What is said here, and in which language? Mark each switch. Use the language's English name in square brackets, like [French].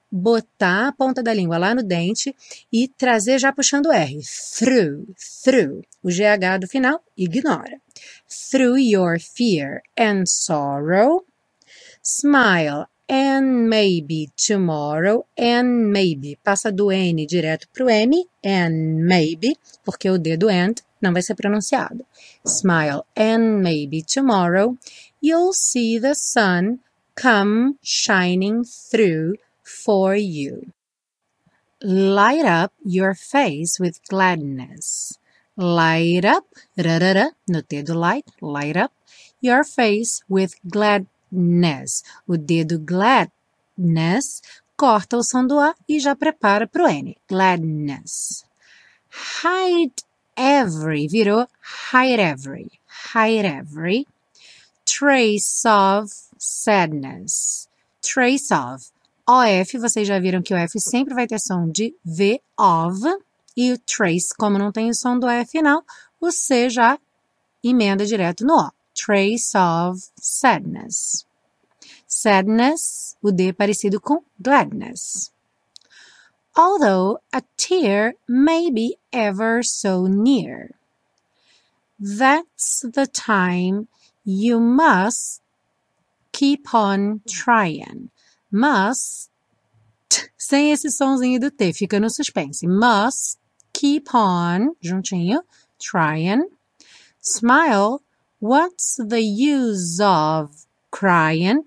[Portuguese] botar a ponta da língua lá no dente e trazer já puxando o R. [English] Through, through. [Portuguese] O GH do final, ignora. [English] Through your fear and sorrow, smile and maybe tomorrow, and maybe. [Portuguese] Passa do N direto para o M, [English] and maybe, [Portuguese] porque o D do and não vai ser pronunciado. [English] Smile and maybe tomorrow, you'll see the sun come shining through for you. Light up your face with gladness. Light up, rarara, [Portuguese] no T do [English] light, light up your face with gladness. [Portuguese] O dedo gladness corta o som do A e já prepara para o N. [English] Gladness. Hide every, [Portuguese] virou [English] hide every. Trace of sadness. Trace of. [Portuguese] OF, vocês já viram que o F sempre vai ter som de V, of. E o trace, como não tem o som do F final, o C já emenda direto no O. [English] Trace of sadness. Sadness, [Portuguese] o D parecido com [English] gladness. Although a tear may be ever so near. That's the time you must keep on trying. Must. [Portuguese] Sem esse sonzinho do T, fica no suspense. [English] Must keep on, [Portuguese] juntinho, [English] trying. Smile, what's the use of crying?